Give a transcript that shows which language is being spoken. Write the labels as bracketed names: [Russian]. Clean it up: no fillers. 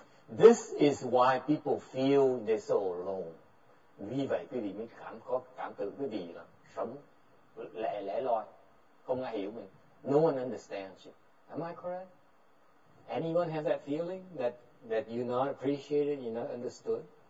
[English] This is why people feel they're so alone. [Vietnamese] Vì vậy quý vị mới cảm có cảm tưởng quý vị là sống lẻ loi, không ai hiểu mình. [English] No one understands you. Am I correct? Anyone have that feeling that you're not appreciated, you're not understood?